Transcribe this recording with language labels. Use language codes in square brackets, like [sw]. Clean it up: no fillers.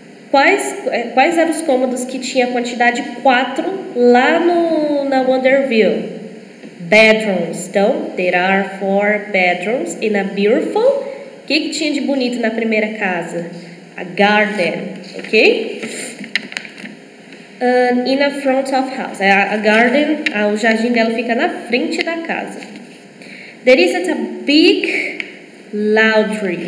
[pt] Quais eram os cômodos que tinha a quantidade 4 lá na Wonderville? [en] Bedrooms. Então, there are four bedrooms in a beautiful... [pt] O que tinha de bonito na primeira casa? A garden, ok? [en] In a front of house. [pt] A garden, o jardim dela fica na frente da casa. [en] There isn't a big laundry.